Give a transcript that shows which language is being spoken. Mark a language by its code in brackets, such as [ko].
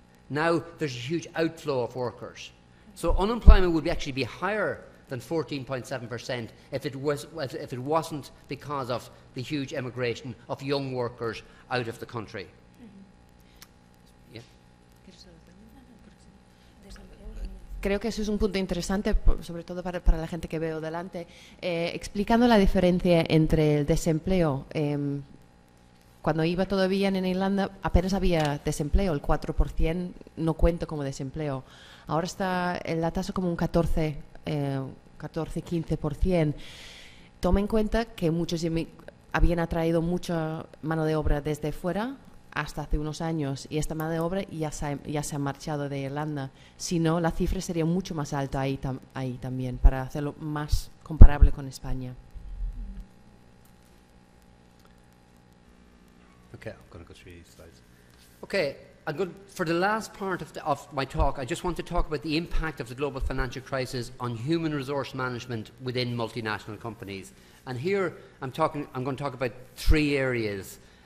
[en] Now there's a huge outflow of workers. So unemployment would actually be higher than 14.7% if it wasn't because of the huge emigration of young workers out of the country. [es] Creo que eso es un punto interesante, sobre todo para la gente que veo delante. Explicando la diferencia entre el desempleo. Cuando iba todo bien en Irlanda, apenas había desempleo, el 4% no cuenta como desempleo. Ahora está la tasa como un 14-15%. Toma en cuenta que muchos habían atraído mucha mano de obra desde fuera hasta hace unos años y esta mano de obra ya se ha marchado de Irlanda. Si no, la cifra sería mucho más alta ahí también, para hacerlo más comparable con España. [en] Okay, I'm going to go through these slides. Okay, for the last part of my talk, I just want to talk about the impact of the global financial crisis on human resource management within multinational companies. And here, I'm going to talk about three areas.